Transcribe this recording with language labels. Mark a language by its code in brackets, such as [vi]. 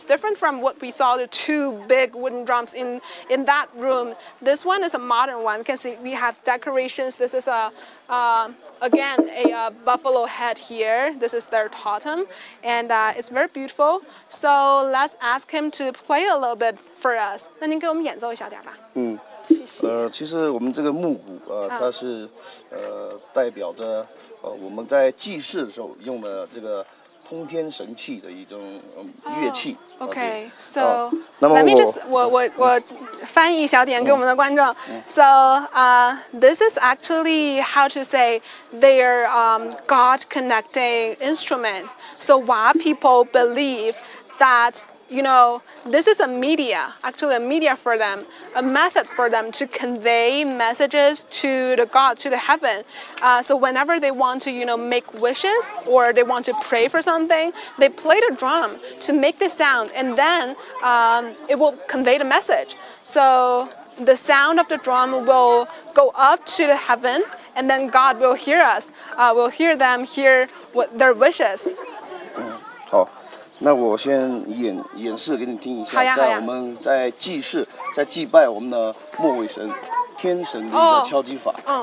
[en] It's different from what we saw the 2 big wooden drums in that room. This one is a modern one. We can see we have decorations. This is a buffalo head here. This is their totem, and it's very beautiful. So let's ask him to play a little bit for us. [zh] 那您给我们演奏一下点吧。嗯，谢谢。其实我们这个木鼓它是代表着我们在祭祀的时候用的这个通天神器的一种乐器。 [en] Okay, so let me [zh] 翻译一小点给我们的观众。 [en] So this is actually how to say their God connecting instrument. So Wa people believe that, you know, this is a media for them, a method for them to convey messages to the God, to the heaven. So whenever they want to, you know, make wishes or they want to pray for something, they play the drum to make the sound, and then it will convey the message. So the sound of the drum will go up to the heaven, and then God will hear us, will hear them, hear what their wishes. [zh] 那我先演示给你听一下，在我们在祭祀，在祭拜我们的末尾神、天神的一个敲击法。